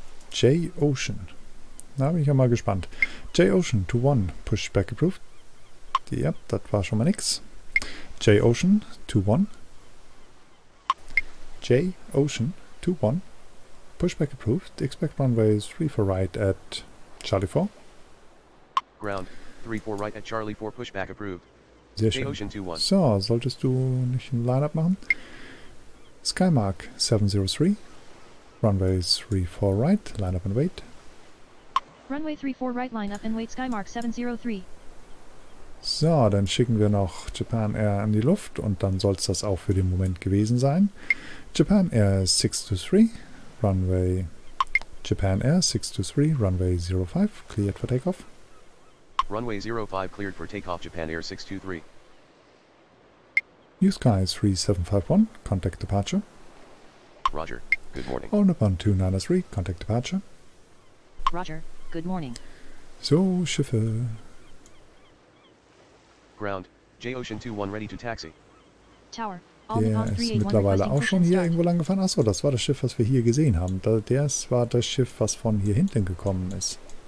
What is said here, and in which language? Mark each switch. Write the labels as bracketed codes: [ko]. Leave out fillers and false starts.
[de] J-Ocean. Da bin ich ja mal gespannt. [en] J-Ocean to 1, pushback approved. [de] Ja, yep, das war schon mal nix. [en] J-Ocean to 1. J-Ocean to 1, pushback approved. Expect runway 34 right at Charlie 4. Ground 34 right at Charlie 4, pushback approved. [de] Sehr schön. [en] J-Ocean to 1. [de] So, solltest du nicht ein Lineup machen? [en] Skymark 703. Runway 34 right, line up and wait. Runway 34 right, line up and wait, Skymark 703. [de] So, dann schicken wir noch Japan Air in die Luft und dann soll es das auch für den Moment gewesen sein. [en] Japan Air 623, Runway. Japan Air 623, Runway 05, cleared for takeoff. Runway 05 cleared for takeoff, Japan Air 623. New Skies 3751, contact departure. Roger. All Nippon 293, contact departure. Roger, good morning. [de] So, Schiffe. [en] Ground, J-Ocean 21 ready to taxi. Tower, [de] der ist mittlerweile auch schon hier irgendwo lang gefahren. Achso, das war das Schiff, was wir hier gesehen haben. Das war das Schiff, was von hier hinten gekommen ist.